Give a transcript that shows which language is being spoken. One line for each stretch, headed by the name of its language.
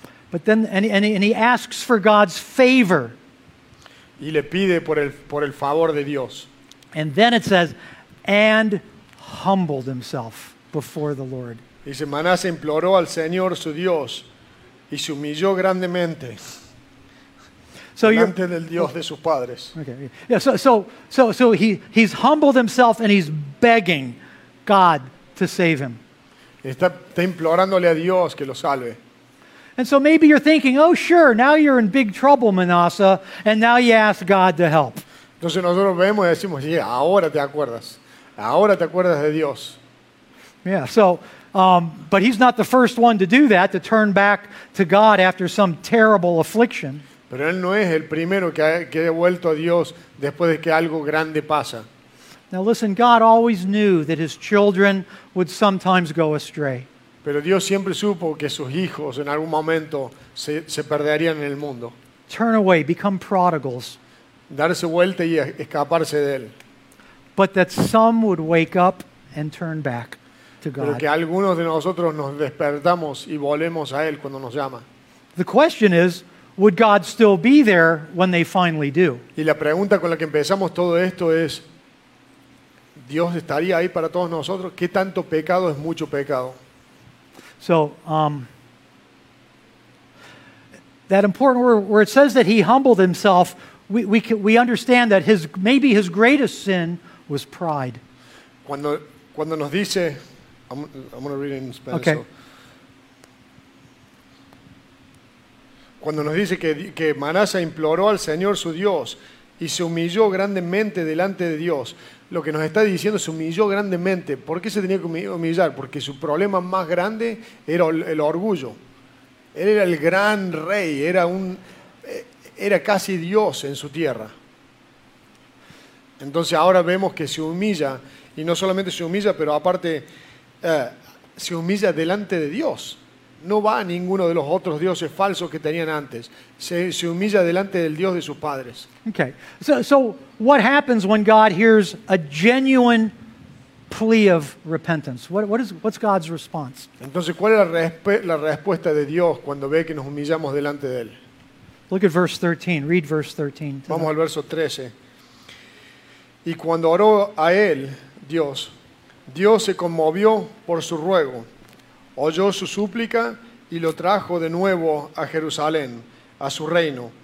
English: But then, and he asks for God's favor.
Spanish: Y le pide por el favor de Dios.
English: And then it says, and humbled himself before the Lord.
Spanish: Dice, Manasa imploró al Señor su Dios y se humilló grandemente.
English: So
Spanish: delante del Dios de sus padres.
English: Okay. Yeah, so he's humbled himself and he's begging God to save him.
Spanish: Está implorándole a Dios que lo salve.
English: And so maybe you're thinking, oh sure, now you're in big trouble, Manasa, and now you ask God to help.
Spanish: Entonces nosotros vemos y decimos, sí, ahora te acuerdas. Ahora te acuerdas de Dios.
English: Yeah, so but he's not the first one to do that, to turn back to God after some terrible affliction.
Spanish: Pero él no es el primero que ha vuelto a Dios después de que algo grande pasa.
English: Now listen, God always knew that his children would sometimes go astray.
Spanish: Pero Dios siempre supo que sus hijos en algún momento se perderían en el mundo.
English: Turn away, become prodigals.
Spanish: Darse vuelta y escaparse de él.
English: But that some would wake up and turn back to God.
Spanish: Pero que algunos de nosotros nos despertamos y volvemos a él cuando nos llama.
English: The question is, would God still be there when they finally do?
Spanish: Y la pregunta con la que empezamos todo esto es, ¿Dios estaría ahí para todos nosotros? ¿Qué tanto pecado es mucho pecado?
English: So, that important word where it says that he humbled himself, we understand that maybe his greatest sin was pride.
Spanish: Cuando nos dice,
English: I'm going to read it in Spanish. Okay.
Spanish: Cuando nos dice que Manasa imploró al Señor su Dios y se humilló grandemente delante de Dios, lo que nos está diciendo se humilló grandemente. ¿Por qué se tenía que humillar? Porque su problema más grande era el orgullo. Él era el gran rey, era casi Dios en su tierra. Entonces ahora vemos que se humilla, y no solamente se humilla, pero aparte se humilla delante de Dios. No va a ninguno de los otros dioses falsos que tenían antes. Se humilla delante del Dios de sus padres.
English: Okay. So what happens when God hears a genuine plea of repentance? What's God's response?
Spanish: Entonces, ¿cuál es la respuesta de Dios cuando ve que nos humillamos delante de él?
English: Look at verse 13. Read verse 13.
Spanish: Vamos al verso 13. Y cuando oró a él, Dios, Dios se conmovió por su ruego, oyó su súplica y lo trajo de nuevo a Jerusalén, a su reino.